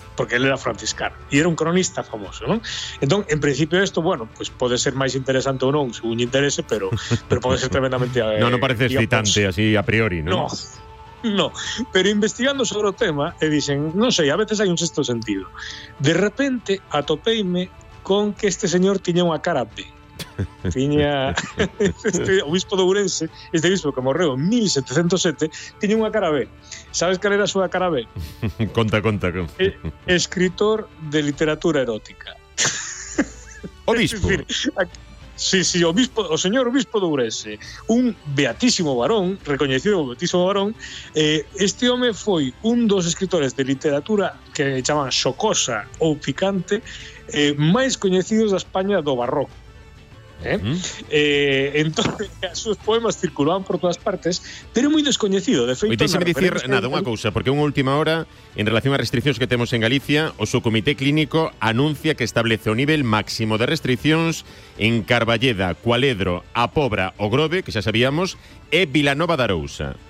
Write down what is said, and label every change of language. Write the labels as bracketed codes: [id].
[es] Porque él era franciscano y era un cronista famoso, ¿no? Entonces, en principio esto, bueno, pues puede ser más interesante o no, según interese, pero puede ser tremendamente... No parece excitante, así a priori, ¿no? No, pero investigando sobre el tema, dicen, no sé, a veces hay un sexto sentido. [gl] De repente, atopéime con que este señor tiña unha cara B. Tiña este obispo de Ourense, este obispo que morreu en 1707, tiña unha cara B. Sabes cal era a súa cara B? Conta. Escritor de literatura erótica. [es] Obispo. Es decir, [gl] sí, obispo, o señor obispo de Ourense, un beatísimo varón, recoñecido como beatísimo varón, este home foi un dos escritores de literatura que chaman xocosa ou picante, máis coñecidos da España do barroco. [es] Entonces, sus poemas circulaban por todas partes, pero muy desconocido. [gl] De feito, [es] déjame decir nada, una cosa, porque una última hora, en relación a restricciones que tenemos en Galicia, o su comité clínico anuncia que establece un nivel máximo de restricciones en Carballeda, Cualedro, A Pobra o Grove, que ya sabíamos, e Vilanova de Arousa.